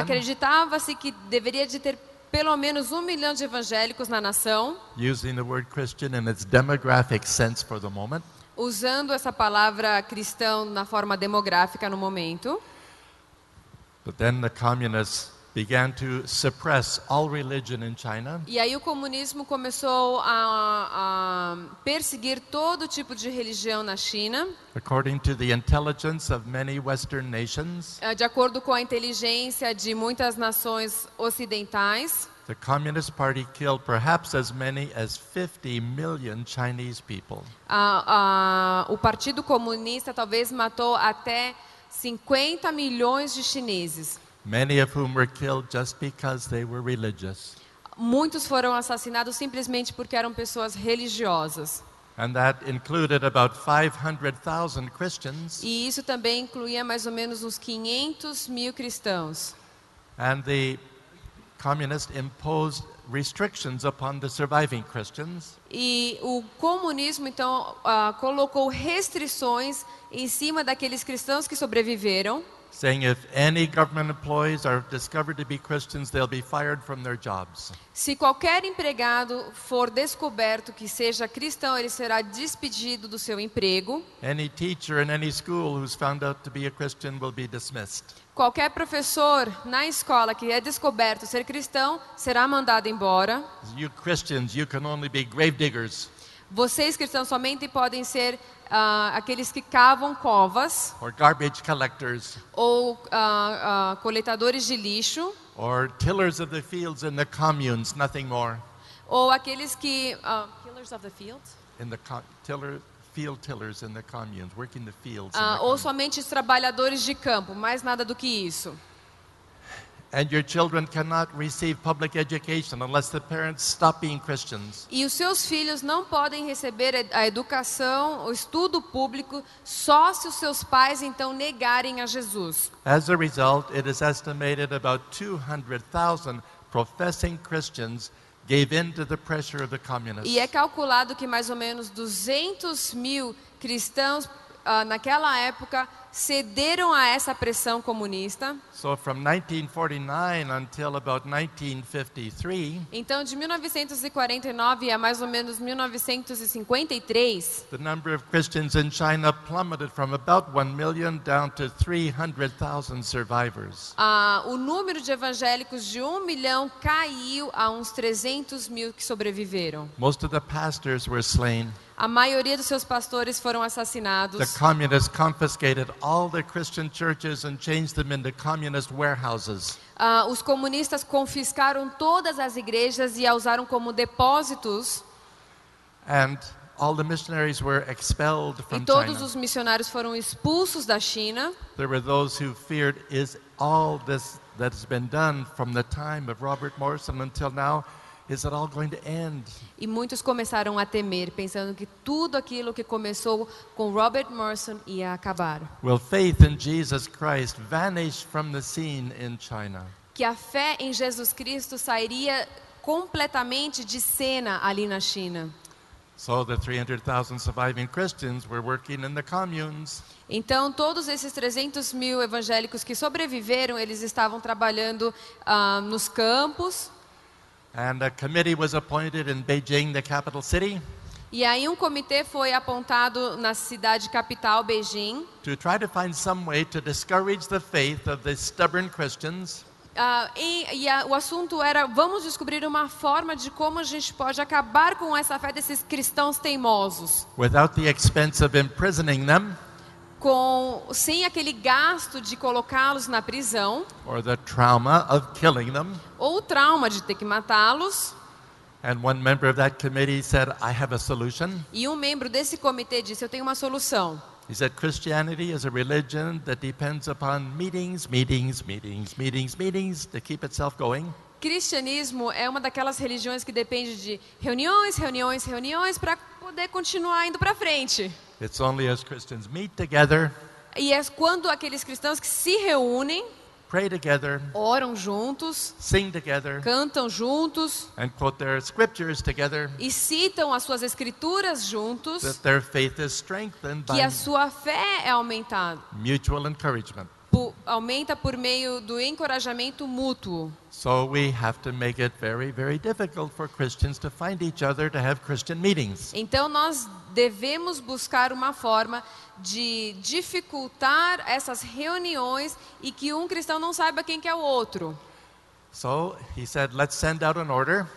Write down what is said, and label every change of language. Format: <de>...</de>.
<pt>Acreditava-se que deveria de ter pelo menos 1 milhão de evangélicos na nação.</pt> <en>Using the word Christian in its demographic sense for the moment.</en> <pt>Usando essa palavra cristão na forma demográfica no momento.</pt> <en>But then the communists began to suppress all religion in China.</en> <pt>E aí o comunismo começou a perseguir todo tipo de religião na China.</pt> <en>According to the intelligence of many Western nations.</en> <pt>De acordo com a inteligência de muitas nações ocidentais.</pt> <en>The Communist Party killed perhaps as many as 50 million Chinese people.</en> <pt>O Partido Comunista talvez matou até 50 milhões de chineses.</pt> <en>Many of whom were killed just because they were religious.</en> <pt>Muitos foram assassinados simplesmente porque eram pessoas religiosas.</pt> <en>And that included about 500,000 Christians.</en> <pt>E isso também incluía mais ou menos uns 500 mil cristãos.</pt> <en>And the communists imposed restrictions upon the surviving Christians.</en> <pt>E o comunismo então colocou restrições em cima daqueles cristãos que sobreviveram.</pt> <en>Saying if any government employees are discovered to be Christians, they'll be fired from their jobs.</en> <pt>Se qualquer empregado for descoberto que seja cristão, ele será despedido do seu emprego.</pt> <en>Any teacher in any school who's found out to be a Christian will be dismissed.</en> <pt>Qualquer professor na escola que é descoberto ser cristão será mandado embora.</pt> <en>You Christians, you can only be grave diggers.</en> <pt>Vocês cristãos somente podem ser aqueles que cavam covas,</pt> <en>or garbage collectors,</en> <pt>ou coletadores de lixo,</pt> <en>or tillers of the fields in the communes, nothing more.</en> <pt>Ou aqueles que</pt> <en>tillers of the fields in the field tillers in the communes, working the fields.</en> <pt>Ou somente os trabalhadores de campo, mais nada do que isso.</pt> <en>And your children cannot receive public education unless the parents stop being Christians.</en> <pt>E os seus filhos não podem receber a educação, o estudo público, só se os seus pais então negarem a Jesus.</pt> <en>As a result, it is estimated about 200,000 professing Christians gave in to the pressure of the communists.</en> <pt>E é calculado que mais ou menos 200 mil cristãos naquela época cederam a essa pressão comunista.</pt> <en>So from 1949 until about 1953,</en> <pt>então, de 1949 a mais ou menos 1953,</pt> <en>the number of Christians in China plummeted from about 1 million down to 300,000 survivors.</en> <pt>O número de evangélicos de 1 milhão caiu a uns 300 mil que sobreviveram.</pt> <en>Most of the pastors were slain.</en> <pt>A maioria dos seus pastores foram assassinados.</pt> <en>The communists confiscated all the Christian churches and changed them into communist warehouses.</en> <pt>Os comunistas confiscaram todas as igrejas e a usaram como depósitos.</pt> <en>And all the missionaries were expelled from China.</en> <pt>E todos os missionários foram expulsos da China.</pt> <en>There were those who feared is all this that has been done from the time of Robert Morrison until now. Is it all going to end?</en> <pt>E muitos começaram a temer, pensando que tudo aquilo que começou com Robert Morrison ia acabar.</pt> <en>Will faith in Jesus Christ vanish from the scene in China?</en> <pt>Que a fé em Jesus Cristo sairia completamente de cena ali na China.</pt> <en>So the 300,000 surviving Christians were working in the communes.</en> <pt>Então todos esses 300 mil evangélicos que sobreviveram, eles estavam trabalhando nos campos.</pt> <en>And a committee was appointed in Beijing, the capital city.</en> <pt>E aí um comitê foi apontado na cidade capital, Beijing.</pt> <en>To try to find some way to discourage the faith of the stubborn Christians.</en> <pt>O assunto era, vamos descobrir uma forma de como a gente pode acabar com essa fé desses cristãos teimosos.</pt> <en>Without the expense of imprisoning them.</en> <pt>Sem aquele gasto de colocá-los na prisão.</pt> <en>Or the trauma of killing them.</en> <pt>Ou o trauma de ter que matá-los.</pt> <en>And one member of that committee said, I have a solution.</en> <pt>E um membro desse comitê disse, eu tenho uma solução.</pt> <en>He said Christianity is a religion that depends upon meetings, meetings, meetings, meetings, meetings to keep itself going.</en> <pt>Cristianismo é uma daquelas religiões que depende de reuniões, reuniões, reuniões para poder continuar indo para frente.</pt> <en>It's only as Christians meet together.</en> <pt>E é quando aqueles cristãos que se reúnem,</pt> <en>pray together,</en> <pt>oram juntos,</pt> <en>sing together,</en> <pt>cantam juntos,</pt> <en>and quote their scriptures together,</en> <pt>e citam as suas escrituras juntos,</pt> <en>that their faith is strengthened</en> <pt>que a sua fé é aumentada.</pt> <en>Mutual encouragement.</en> <pt>Aumenta por meio do encorajamento mútuo.</pt> <en>So we have to make it very, very difficult for Christians to find each other to have Christian meetings.</en> <pt>Então nós devemos buscar uma forma de dificultar essas reuniões e que um cristão não saiba quem que é o outro.</pt> <en>So he said, let's send out an order.</en>